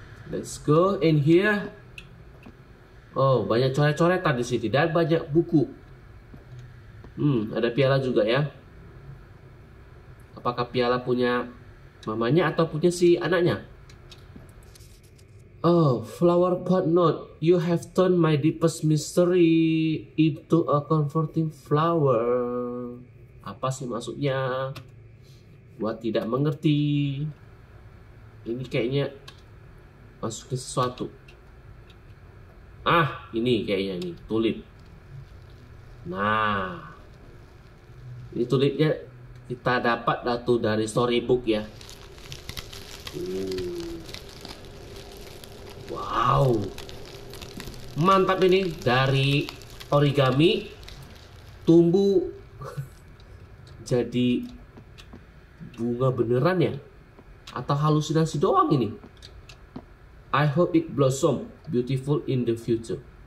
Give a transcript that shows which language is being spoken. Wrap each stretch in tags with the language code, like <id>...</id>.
<en>Let's go in here.</en> <id>Oh, banyak coret-coretan di sini dan banyak buku. Ada piala juga ya. Apakah piala punya mamanya atau punya si anaknya?</id> <en>Oh, flower pot note. You have turned my deepest mystery into a comforting flower.</en> <id>Apa sih maksudnya? Gua tidak mengerti. Ini kayaknya masukin sesuatu. Ah, ini kayaknya nih, tulip. Nah. Ini tulipnya kita dapat datu dari storybook ya. Wow, mantap ini dari origami tumbuh jadi bunga beneran ya, atau halusinasi doang ini?</id> <en>I hope it blossom beautiful in the future.</en>